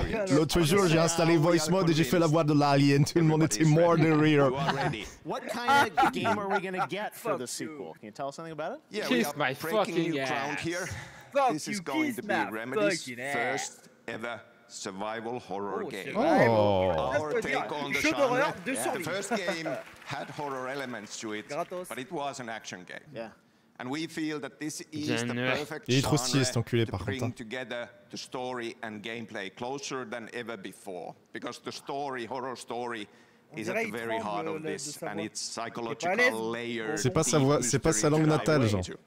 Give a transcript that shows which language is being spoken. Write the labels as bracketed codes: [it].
[fr] L'autre jour, j'ai installé Voice Mode et j'ai fait la voix de l'alien. Tout le monde était mort de rire. [en] What kind of game are we going to get for the sequel? Can you tell us something about it? Yeah, kiss we are my fucking ass. This is going to be Remedy's first ever survival horror game. Oh. Our take on the genre. The first game had horror elements to it, but it was an action game. Yeah. And we feel that this is the perfect [fr] genre. Il est trop stylé, cet enculé, par contre. [en] Bring together the story and gameplay closer than ever before, because the story, horror story, is at the very heart of this, and its psychological layers. [fr] C'est pas sa voix, c'est pas sa langue natale, Jean.